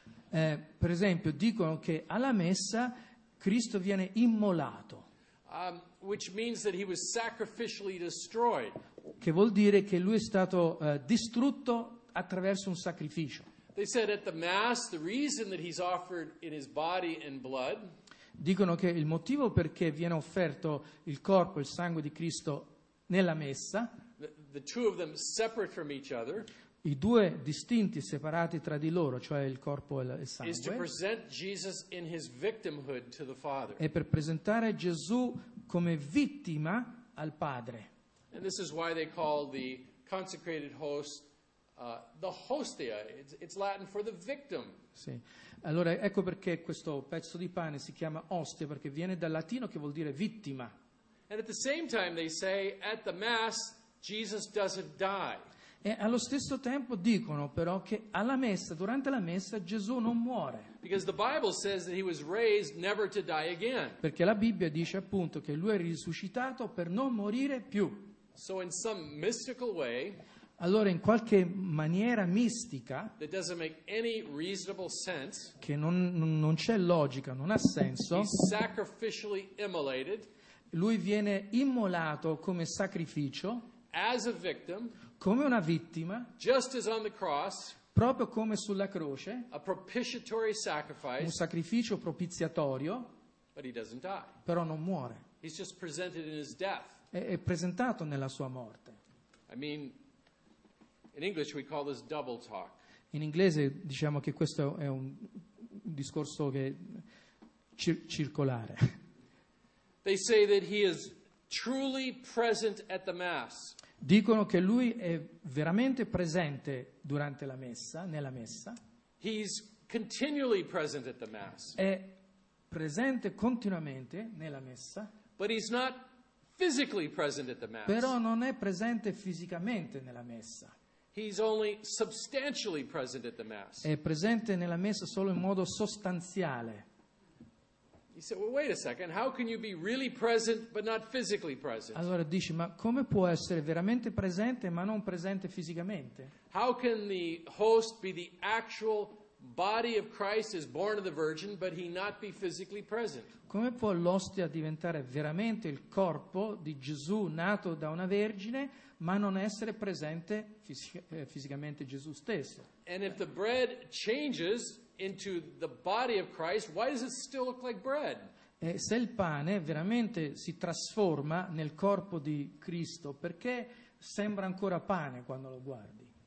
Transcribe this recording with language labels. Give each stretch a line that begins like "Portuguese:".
Italian: Per esempio, dicono che alla messa Cristo viene immolato.
English: Which means that he was sacrificially destroyed.
Italian: Che vuol dire che lui è stato distrutto attraverso un sacrificio.
English: They said at the Mass, the reason that he's offered in his body and blood.
Italian: Dicono che il motivo perché viene offerto il corpo e il sangue di Cristo nella messa.
English: The two of them separate from each other.
Italian: I due distinti separati tra di loro, cioè il corpo e il sangue,
English: is to present Jesus in his victimhood to the Father.
Italian: È per presentare Gesù come vittima al Padre.
English: And this is why they call the consecrated host the hostia. It's Latin for the victim.
Italian: Sì. Allora ecco perché questo pezzo di pane si chiama ostia, perché viene dal latino che vuol dire vittima.
English: And at the same time they say at the Mass Jesus doesn't die.
Italian: E allo stesso tempo dicono però che alla messa, durante la messa, Gesù non muore.
English: Because the Bible says that he was raised never to die again.
Italian: Perché la Bibbia dice appunto che lui è risuscitato per non morire più.
English: So in some mystical way,
Italian: allora in qualche maniera mistica,
English: that doesn't make any reasonable sense,
Italian: che non c'è logica, non ha senso,
English: he's sacrificially immolated,
Italian: lui viene immolato come sacrificio,
English: as a victim,
Italian: come una vittima,
English: just as on the cross,
Italian: proprio come sulla croce,
English: a propitiatory sacrifice,
Italian: un sacrificio propiziatorio,
English: but he doesn't die.
Italian: Però non muore.
English: He's just presented in his death.
Italian: È presentato nella sua morte.
English: I mean, in English we call this double talk.
Italian: In inglese diciamo che questo è un discorso che circolare.
English: They say that he is truly present at the Mass.
Italian: Dicono che lui è veramente presente durante la messa, nella messa.
English: He's continually present at the Mass.
Italian: È presente continuamente nella messa.
English: But he's not physically present at the Mass.
Italian: Però non è presente fisicamente nella messa.
English: He's only substantially present at the Mass.
Italian: È presente nella messa solo in modo sostanziale.
English: He said, "Well, wait a second. How can you be really present but not physically present?"
Italian: Allora dici, ma come può essere veramente presente ma non presente fisicamente?
English: How can the host be the actual body of Christ as born of the Virgin but he not be physically present?
Italian: Come può l'ostia diventare veramente il corpo di Gesù nato da una vergine ma non essere presente fisicamente Gesù stesso?
English: And if the bread changes into the body of Christ, why does it still look like bread?
Italian: E se il pane veramente si trasforma nel corpo di Cristo, perché sembra ancora pane quando lo guardi?